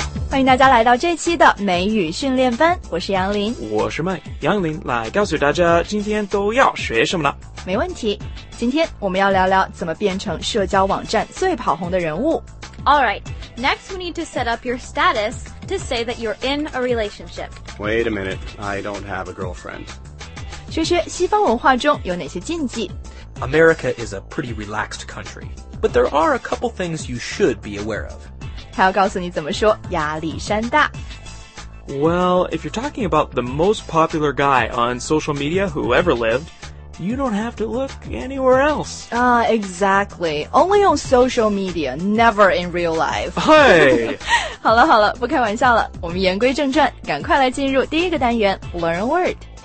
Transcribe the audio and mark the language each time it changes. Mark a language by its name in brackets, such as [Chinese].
[Chinese] 欢迎大家来到这期的美语训练班，我是杨林，我是麦。杨林来告诉大家今天都要学什么呢？没问题，今天我们要聊聊怎么变成社交网站最跑红的人物。 [English] Alright, next we need to set up your status to say that you're in a relationship. Wait a minute, I don't have a girlfriend. [Chinese] 学学西方文化中有哪些禁忌。 [English] America is a pretty relaxed country, but there are a couple things you should be aware of. [Chinese] 还要告诉你怎么说亚历山大。 [English] Well, if you're talking about the most popular guy on social media who ever lived, you don't have to look anywhere else. Exactly. Only on social media, never in real life. Hey! [Chinese] 好了好了，不开玩笑了，我们言归正传，赶快来进入第一个单元 [English] Learn a Word.